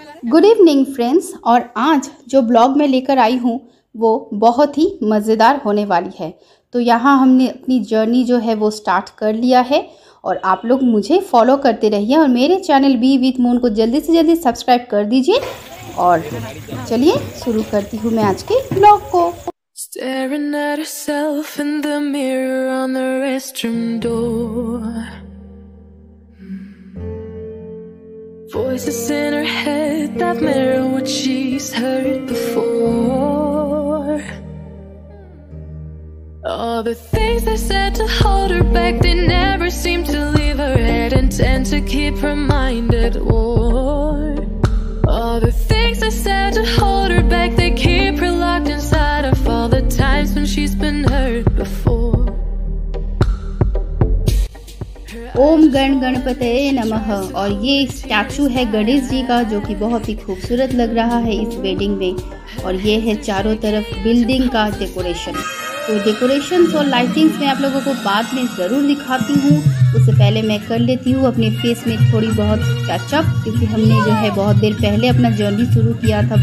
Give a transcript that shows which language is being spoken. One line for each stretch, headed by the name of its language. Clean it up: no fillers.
Hindi: Good evening friends, और आज जो ब्लॉग में लेकर आई हूँ वो बहुत ही मज़ेदार होने वाली है। तो यहाँ हमने अपनी जर्नी जो है वो स्टार्ट कर लिया है, और आप लोग मुझे फॉलो करते रहिए और मेरे चैनल बी विद मून को जल्दी से जल्दी सब्सक्राइब कर दीजिए। और चलिए शुरू करती हूँ मैं आज के ब्लॉग को।
English: Staring at herself in the mirror on the restroom door. Voices in her head that mirror what she's heard before. All the things they said to hold her back, they never seem to leave her head and tend to keep her mind at war. All the things they said to hold her back, they keep her locked inside of all the times when she's been hurt before.
Sanskrit: ओम गण गणपतये नमः।
Hindi: और ये statue है गणेश जी का, जो कि बहुत ही खूबसूरत लग रहा है इस वेडिंग में। और ये है चारों तरफ बिल्डिंग का डेकोरेशन। तो डेकोरेशंस और लाइटिंग्स मैं आप लोगों को बाद में ज़रूर दिखाती हूँ, उससे पहले मैं कर लेती हूँ अपने फेस में थोड़ी बहुत टचअप, क्योंकि हमने जो है बहुत देर पहले अपना जर्नी शुरू किया था।